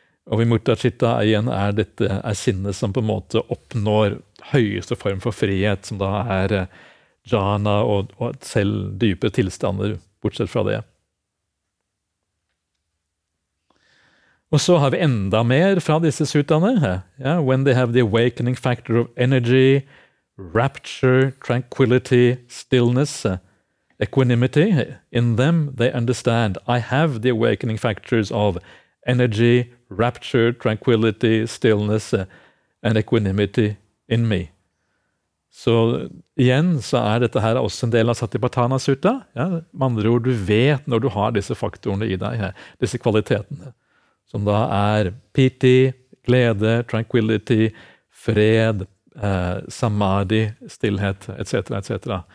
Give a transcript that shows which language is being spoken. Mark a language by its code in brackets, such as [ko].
[no] Og vimutta chitta igjen er sinnet som på en måte oppnår høyeste form for frihet, som da er jhana og selv dype tilstander, bortsett fra det. Og så har vi enda mer fra disse sutrene. [en] Ja, when they have the awakening factor of energy, rapture, tranquility, stillness, equanimity in them, they understand, I have the awakening factors of energy, rapture, tranquility, stillness, and equanimity in me. [no] Så igjen så er dette her også en del av Satipatthana-sutta. Ja, med andre ord, du vet når du har disse faktorene i deg, disse kvalitetene, som da er piti, glede, tranquility, fred, samadhi, stillhet, etc., etc.